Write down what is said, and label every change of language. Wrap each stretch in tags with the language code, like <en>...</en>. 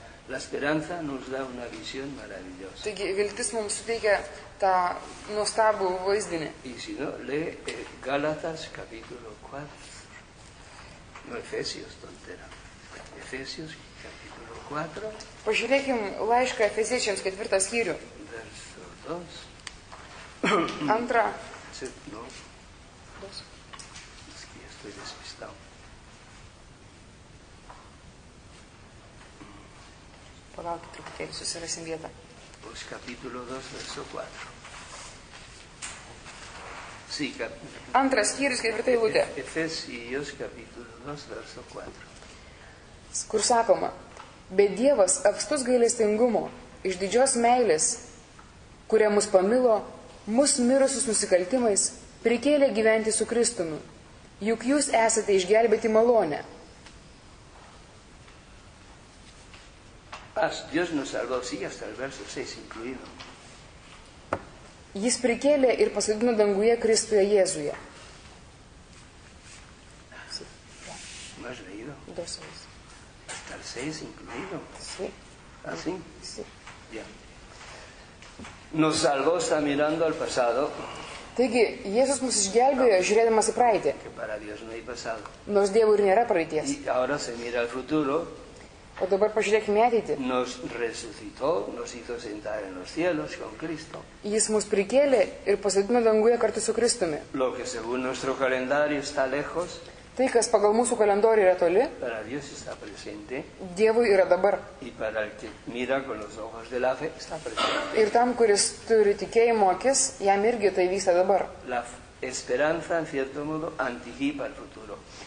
<es>La esperanza nos da una visión maravillosa.</es> <lt>Taigi, viltis mums suteikia tą nuostabų vaizdinį.</lt> <es>Y si no, lee Gálatas capítulo 4. No Efesios, tontera. Efesios, capítulo 4.</es> <lt>Pažiūrėkim laišką Efeziečiams, ketvirtą skyrių.</lt> <es>Verso 2.</es> <lt>Antra.</lt> <es>No. Dos. Es que estoy despistado.</es> <lt>Palauk, truputėlį susirasim vietą.</lt> <es>Pues capítulo 2, verso 4. Sí,</es> <lt>antras skyrius, ketvirta eilutė.</lt> <es>Efesios, capítulo 2, verso 4.</es> <lt>Kur sakoma, bet Dievas apstus gailestingumo, iš didžios meilės, kurią mus pamilo, mus mirusius nusikaltimais, prikėlė gyventi su Kristumi, juk jūs esate išgelbėti malonę.</lt> <es>Dios nos salvó, sí, hasta el verso 6 incluido.</es> <lt>Jis prikėlė ir pasodino danguje Kristuje Jėzuje.</lt> <es>¿No has leído? Dos veces. ¿Hasta el 6 incluido? Sí. ¿Ah, sí? Sí. Ya. Nos salvó, está mirando al pasado.</es> <lt>Taigi, Jėzus mus išgelbėjo, žiūrėdamas į praeitį.</lt> <es>Que para Dios no hay pasado.</es> <lt>Nors Dievui ir nėra praeities.</lt> <es>Y ahora se mira al futuro.</es> <lt>O dabar pažiūrėkime ateitį.</lt> <es>Nos resucitó, nos hizo sentar en los cielos con Cristo.</es> <lt>Jis mus prikėlė ir pasodino danguje kartu su Kristumi.</lt> <es>Lo que según nuestro calendario está lejos.</es> <lt>Tai, kas pagal mūsų kalendorių yra toli.</lt> <es>Para Dios está presente.</es> <lt>Dievui yra dabar.</lt> <es>Y para el que mira con los ojos de la fe está presente.</es> <lt>Ir tam, kuris turi tikėjimo akis, jam irgi tai vyksta dabar.</lt> <es>La esperanza, en cierto modo, anticipa el futuro.</es>